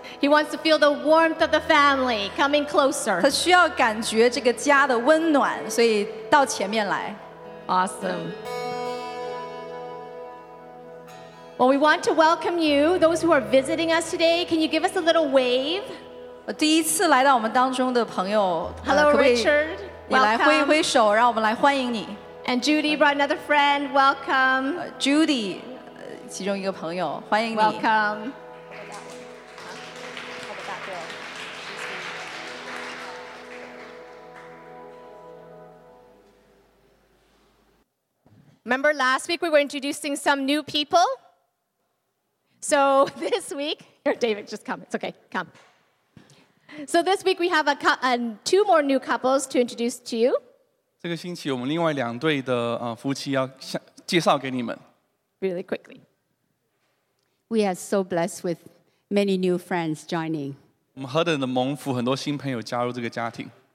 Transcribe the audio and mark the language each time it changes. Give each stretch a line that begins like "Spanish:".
English: He wants to feel the warmth of the family coming closer.
Chinese: 他需要感觉这个家的温暖，所以到前面来。
English: Awesome. Well, we want to welcome you, those who are visiting us today. Can you give us a little wave?
Chinese: 第一次来到我们当中的朋友
English: Hello, Richard. Welcome.
Chinese: 你来挥一挥手，让我们来欢迎你。
English: And Judy brought another friend. Welcome.
Chinese: Judy, 其中一个朋友，欢迎你。
English: Welcome. Remember last week we were introducing some new people? So this week, here, David, just come. It's okay. Come. So this week, we have two more new couples to introduce to you.
Chinese: 这个星期我们另外两对的夫妻要介绍给你们。
English: Really quickly. We are so blessed with many new friends joining.
Chinese: 我们何等的蒙福，很多新朋友加入这个家庭。